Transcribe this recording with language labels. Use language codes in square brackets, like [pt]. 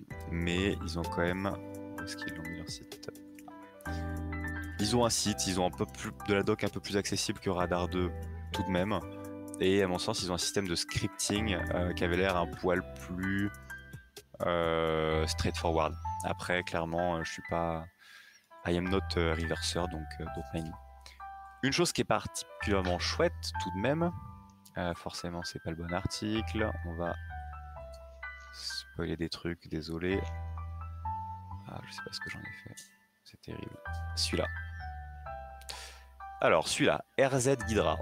[fr] Mais ils ont quand même... Est-ce qu'ils l'ont mis leur site ? Ils ont un site, ils ont un peu plus de la doc un peu plus accessible que Radar 2 tout de même. Et à mon sens, ils ont un système de scripting qui avait l'air un poil plus straightforward. Après, clairement, je suis pas... [en] I am not a reverser, [fr] donc [en] don't mind. [fr] Une chose qui est particulièrement chouette, tout de même, forcément, c'est pas le bon article, on va spoiler des trucs, désolé. Ah, je sais pas ce que j'en ai fait, c'est terrible. Celui-là. Alors, celui-là, RZ Ghidra.